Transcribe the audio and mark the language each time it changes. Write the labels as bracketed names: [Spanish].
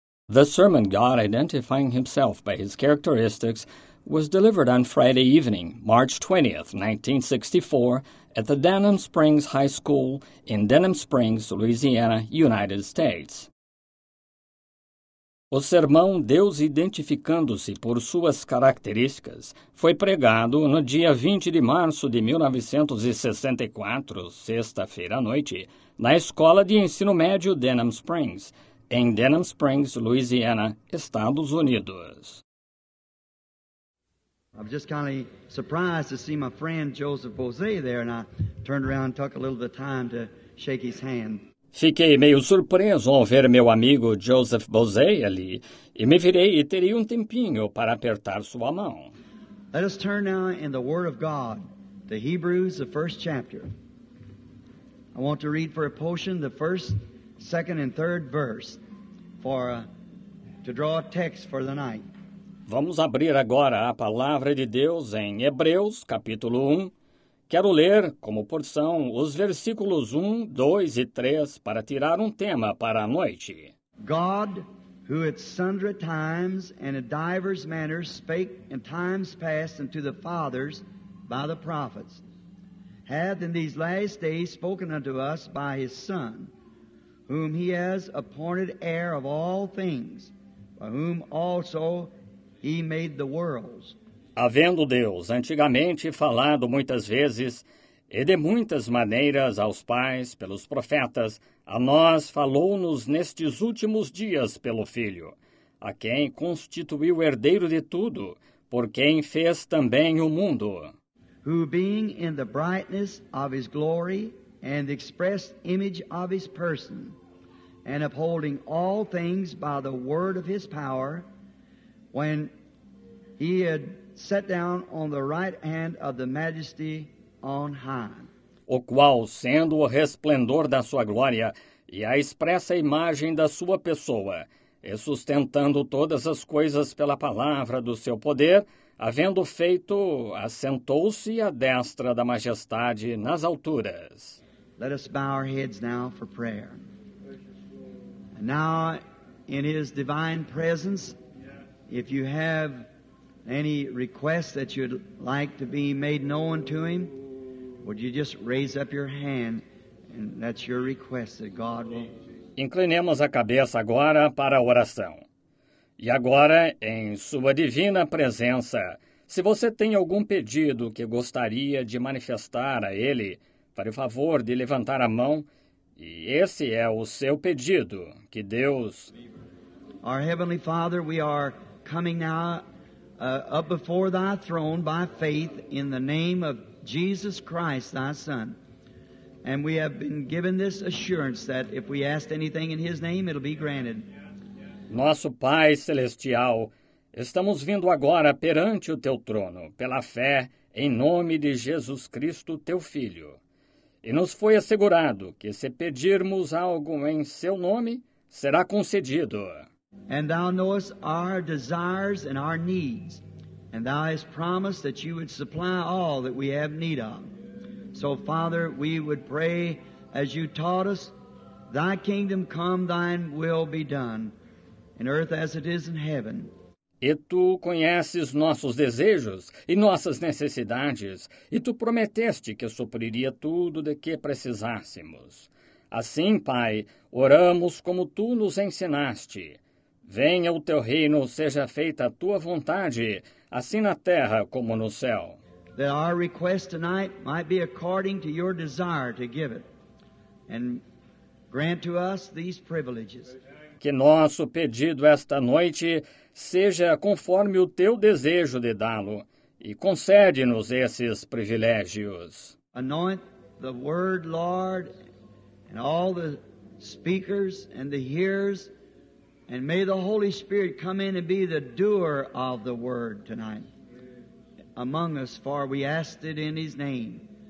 [English] The sermon, God Identifying Himself by His Characteristics, was delivered on Friday evening, March 20, 1964, at the Denham Springs High School in Denham Springs, Louisiana, United States. [Portuguese] O sermão Deus Identificando-se por Suas Características foi pregado no dia 20 de março de 1964, sexta-feira à noite, na Escola de Ensino Médio Denham Springs, em Denham Springs, Louisiana, Estados Unidos. [English] I was just kind of surprised to see my friend Joseph Bosé there, and I turned around and took a little bit of time to shake his hand. [Portuguese] Fiquei meio surpreso ao ver meu amigo Joseph Bosé ali, e me virei e terei um tempinho para apertar sua mão. [English] Let us turn now in the Word of God, the Hebrews, the first chapter. I want to read for a portion the first, second and third verse to draw a text for the night. [Portuguese] Vamos abrir agora a palavra de Deus em Hebreus, capítulo 1. Quero ler, como porção, os versículos 1, 2 e 3 para tirar um tema para a noite. [English] God, who at sundry times and in divers manners spake in times past unto the fathers by the prophets, hath in these last days spoken unto us by his Son, whom he has appointed heir of all things, by whom also he made the worlds. [Portuguese] Havendo Deus antigamente falado muitas vezes e de muitas maneiras aos pais pelos profetas, a nós falou-nos nestes últimos dias pelo Filho, a quem constituiu herdeiro de tudo, por quem fez também o mundo. [English] Who being in the brightness of his glory and the express image of his person, and upholding all things by the word of his power, when he had sat down on the right hand of the majesty on high. [Portuguese] O qual, sendo o resplendor da sua glória e a expressa imagem da sua pessoa, e sustentando todas as coisas pela palavra do seu poder, havendo feito, assentou-se à destra da majestade nas alturas. [English] Let us bow our heads now for prayer. And now, in his divine presence, if you have any requests that you'd like to be made known to him, would you just raise up your hand, and that's your request that God will... [Portuguese] Inclinemos a cabeça agora para a oração. E agora, em sua divina presença, se você tem algum pedido que gostaria de manifestar a ele, fare o favor de levantar a mão, e esse é o seu pedido, que Deus... [English] Our Heavenly Father, we are coming now up before thy throne by faith in the name of Jesus Christ, thy Son. And we have been given this assurance that if we ask anything in his name, it'll be granted. [Portuguese] Nosso Pai Celestial, estamos vindo agora perante o teu trono, pela fé, em nome de Jesus Cristo, teu Filho. E nos foi assegurado que se pedirmos algo em seu nome, será concedido. [English] And thou knowest our desires and our needs, and thou hast promised that you would supply all that we have need of. So, Father, we would pray as you taught us, thy kingdom come, thine will be done, in earth as it is in heaven. [Portuguese] E tu conheces nossos desejos e nossas necessidades, e tu prometeste que supriria tudo de que precisássemos. Assim, Pai, oramos como tu nos ensinaste. Venha o teu reino, seja feita a tua vontade, assim na terra como no céu. [English] That our request tonight might be according to your desire to give it, and grant to us these privileges. [Portuguese] Que nosso pedido esta noite seja conforme o teu desejo de dá-lo, e concede-nos esses privilégios. [English] Anoint the word, Lord, and all the speakers and the hearers, and may the Holy Spirit come in and be the doer of the word tonight among us, for we ask it in his name.